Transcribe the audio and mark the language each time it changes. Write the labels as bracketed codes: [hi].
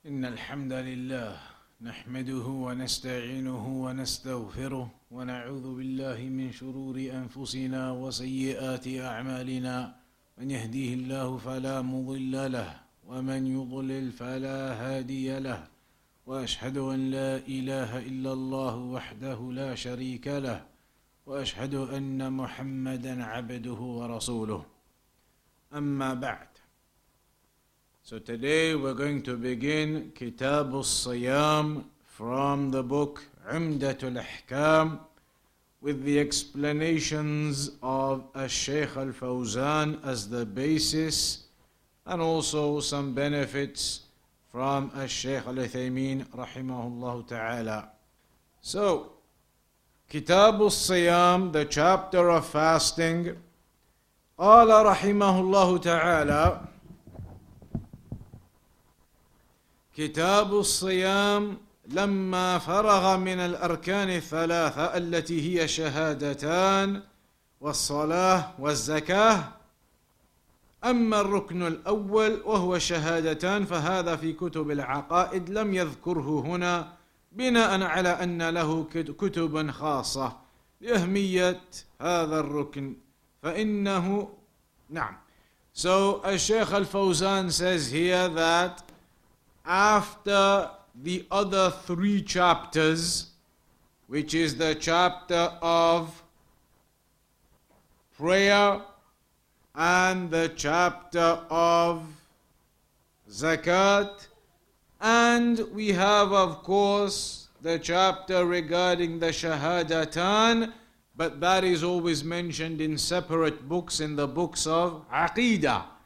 [ar] إن الحمد لله نحمده ونستعينه ونستغفره ونعوذ بالله من شرور أنفسنا وسيئات أعمالنا من يهديه الله فلا مضل له ومن يضلل فلا هادي له وأشهد أن لا إله إلا الله وحده لا شريك له وأشهد أن محمدًا عبده ورسوله أما بعد. [en] So today we're going to begin Kitab al-Siyam from the book Umdat al-Ahkam with the explanations of Al-Shaykh al-Fawzan as the basis and also some benefits from Al-Shaykh al-Uthaymeen rahimahullah ta'ala. So Kitab al-Siyam, the chapter of fasting, Allah rahimahullah ta'ala, [ar] كتاب الصيام لما فرغ من الأركان الثلاثة التي هي شهادتان والصلاة والزكاة أما الركن الأول وهو شهادتان فهذا في كتب العقائد لم يذكره هنا بناء على أن له كتب خاصة لأهمية هذا الركن فإنه نعم. [en] So الشيخ الفوزان says here that after the other three chapters, which is the chapter of prayer and the chapter of zakat, and we have, of course, the chapter regarding the shahadatan, but that is always mentioned in separate books, in the books of aqidah.